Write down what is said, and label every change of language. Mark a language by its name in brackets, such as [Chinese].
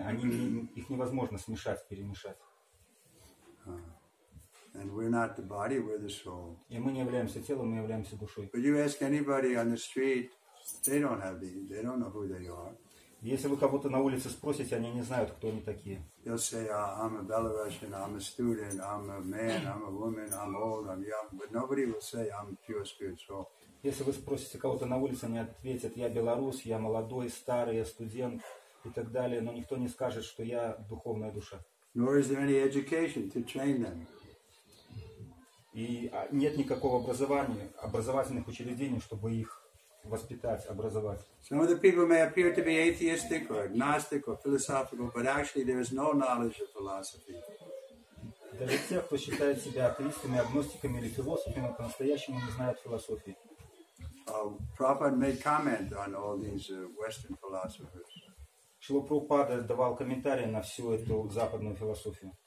[Russian] Они их невозможно смешать, перемешать. [English] And we're not the body, we're the soul. [Russian] И мы не являемся телом, мы являемся душой. [English] But you ask anybody on the street, they don't have the, they don't know who they are. [Russian] Если вы кого-то на улице спросите, они не знают, кто они такие. [English] They'll say, I'm a Belarusian, I'm a student, I'm a man, I'm a woman, I'm old, I'm young. But nobody will say, I'm pure spiritual. [Russian] Если вы спросите кого-то на улице, они ответят, я белорус, я молодой, старый, я студент и так далее. Но никто не скажет, что я духовная душа. [English] Nor is there any education to train them. [Russian] И нет никакого образования, образовательных учреждений, чтобы их воспитать, образовать. [English] Some of the people may appear to be atheistic or agnostic or philosophical, but actually there is no knowledge of philosophy. [Russian] Даже те, кто считает себя атеистами, агностиками или философами, по-настоящему не знают философии. [English] Prabhupada made comment on all these Western philosophers. [Russian] Шрила Прабхупада давал комментарии на всю эту западную философию.